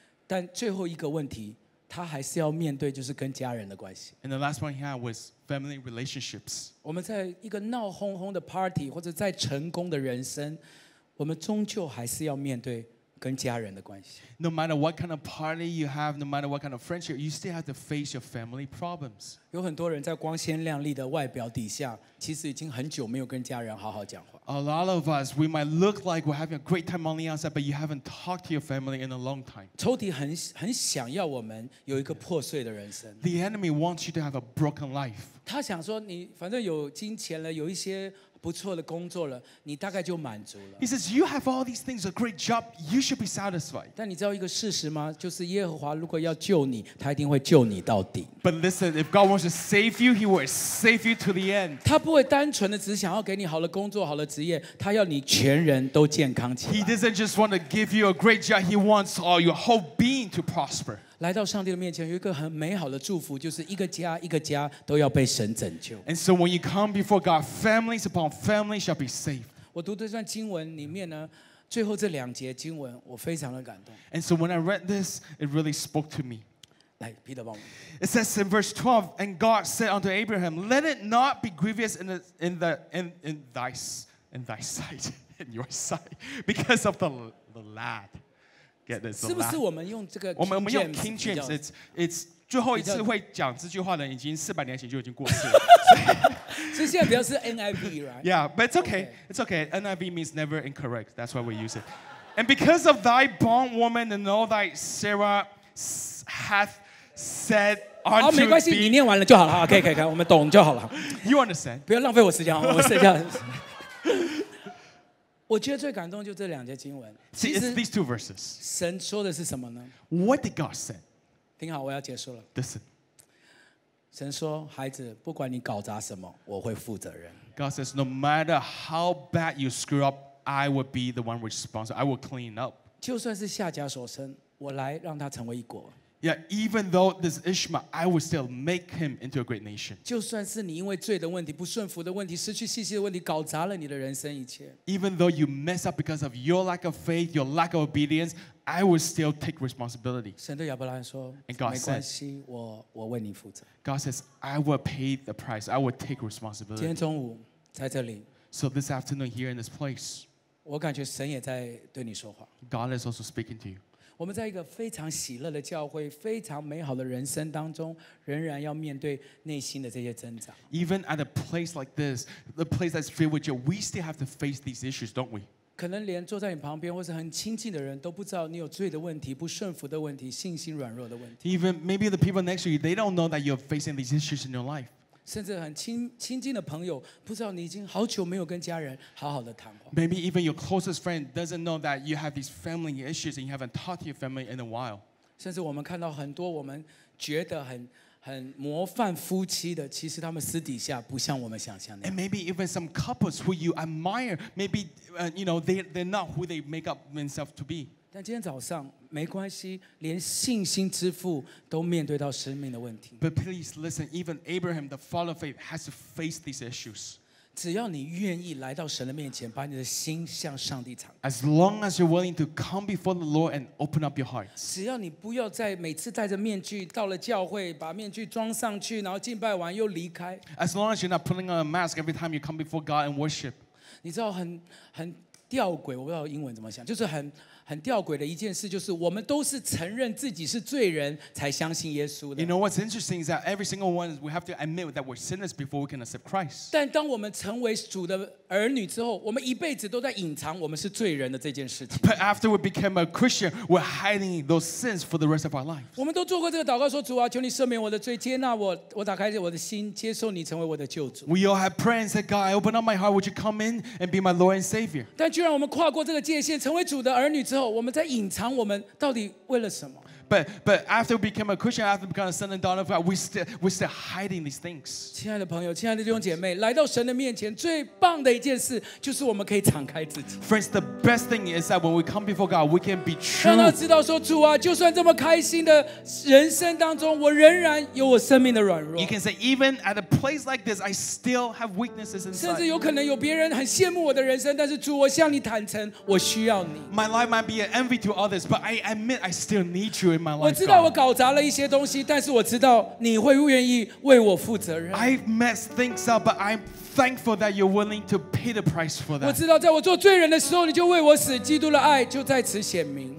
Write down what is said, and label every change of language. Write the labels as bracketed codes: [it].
[zh] 但最后一个问题，他还是要面对，就是跟家人的关系。 [en] And the last one he had was family relationships. [zh] 我们在一个闹哄哄的 party， 或者在成功的人生，我们终究还是要面对跟家人的关系。 [en] No matter what kind of party you have, no matter what kind of friendship, you still have to face your family problems. [zh] 有很多人在光鲜亮丽的外表底下，其实已经很久没有跟家人好好讲话。 [en] A lot of us, we might look like we're having a great time on the outside, but you haven't talked to your family in a long time. [zh] 仇敌很想要我们有一个破碎的人生。 [en] The enemy wants you to have a broken life. [zh] 他想说你反正有金钱了，有一些不错的工作了，你大概就满足了。 [en] He says, you have all these things, a great job, you should be satisfied. [zh] 但你知道一个事实吗？就是耶和华如果要救你，他一定会救你到底。 [en] But listen, if God wants to save you, he will save you to the end. [zh] 他不会单纯的只想要给你好的工作、好的职业，他要你全人都健康起来。 [en] He doesn't just want to give you a great job, he wants all your whole being to prosper. [zh] 来到上帝的面前，有一个很美好的祝福，就是一个家一个家都要被神拯救。 [en] And so when you come before God, families upon families shall be saved. [zh] 我读这段经文里面呢，最后这两节经文我非常的感动。 [en] And so when I read this, it really spoke to me. [zh] 来 ，Peter 帮我们。 [en] It says in verse 12, and God said unto Abraham, Let it not be grievous in your sight, because of the lad. [zh] 是不是我们用这个？我们用 King James， it's 最后一次会讲这句话的，已经四百年前就已经过世了。所以现在比较是 NIV， right？ [en] Yeah， but it's okay. Okay. It's okay. NIV means never incorrect. That's why we use it. And because of thy bond woman and all thy Sarah hath said unto thee. [zh] 好，没关系，你念完了就好了。可以，可以，可以，我们懂就好了。 [en] You understand？ [zh] 不要浪费我时间，我剩下。我觉得最感动就这两节经文。 [en] See, it's these two verses. [zh] 神说的是什么呢？ [en] What did God say? [zh] 听好，我要结束了。 [en] Listen. [zh] 神说，孩子，不管你搞砸什么，我会负责任。 [en] God says, no matter how bad you screw up, I will be the one responsible. I will clean up. [zh] 就算是夏甲所生，我来让他成为一国。 [en] Yeah, even though this Ishmael, I will still make him into a great nation. [zh] 就算是你因为罪的问题、不顺服的问题、失去信心的问题，搞砸了你的人生一切。 [en] Even though you mess up because of your lack of faith, your lack of obedience, I will still take responsibility. [zh] 神对亚伯拉罕说， [en] And God [zh] 没关系，我为你负责。 [en] God says, I will pay the price. I will take responsibility. [zh] 今天中午在这里。 [en] So this afternoon here in this place. [zh] 我感觉神也在对你说话。 [en] God is also speaking to you. [zh] 我们在一个非常喜乐的教会，非常美好的人生当中，仍然要面对内心的这些挣扎。 [en] Even at a place like this, the place that's filled with joy, we still have to face these issues, don't we? [zh] 可能连坐在你旁边或是很亲近的人都不知道你有罪的问题、不顺服的问题、信心软弱的问题。 [en] Even maybe the people next to you, they don't know that you're facing these issues in your life. [zh] 甚至很亲近的朋友不知道你已经好久没有跟家人好好的谈话。 [en] Maybe even your closest friend doesn't know that you have these family issues and you haven't talked to your family in a while. [zh] 甚至我们看到很多我们觉得很模范夫妻的，其实他们私底下不像我们想象的。 [en] And maybe even some couples who you admire, maybe you know they're not who they make up themselves to be. [zh] 但今天早上没关系，连信心之父都面对到生命的问题。 [en] But please listen, even Abraham, the father of faith, has to face these issues. [zh] 只要你愿意来到神的面前，把你的心向上帝敞开。 [en] As long as you're willing to come before the Lord and open up your hearts. [zh] 只要你不要再每次戴着面具到了教会，把面具装上去，然后敬拜完又离开。 [en] As long as you're not putting on a mask every time you come before God and worship. [zh] 你知道很吊诡，我不知道英文怎么讲，就是很吊诡的一件事，就是我们都是承认自己是罪人才相信耶稣的。 [en] You know what's interesting is that every single one we have to admit that we're sinners before we can accept Christ. [zh] 但当我们成为主的儿女之后，我们一辈子都在隐藏我们是罪人的这件事情。 [en] But after we became a Christian, we're hiding those sins for the rest of our life. [zh] 我们都做过这个祷告，说主啊，求你赦免我的罪，接纳我，我打开我的心，接受你成为我的救主。 [en] We all have prayed and said, God, I open up my heart. Would you come in and be my Lord and Savior? [zh] 但居然我们跨过这个界限，成为主的儿女之后。我们在隐藏我们到底为了什么？ [en] But after we became a Christian, after we became a son and daughter of God, we still hiding these things. [zh] 亲爱的朋友，亲爱的弟兄姐妹，来到神的面前，最棒的一件事就是我们可以敞开自己。 [en] Friends, the best thing is that when we come before God, we can be true. [zh] 让他知道说，主啊，就算这么开心的人生当中，我仍然有我生命的软弱。 [en] You can say, even at a place like this, I still have weaknesses inside. [zh] 甚至有可能有别人很羡慕我的人生，但是主，我向你坦诚，我需要你。 [en] My life might be an envy to others, but I admit I still need you. [zh] 我知道我搞砸了一些东西，但是我知道你会愿意为我负责任。 [en] I've messed things up, but I'm thankful that you're willing to pay the price for that. [zh] 我知道在我做罪人的时候，你就为我死，基督的爱就在此显明。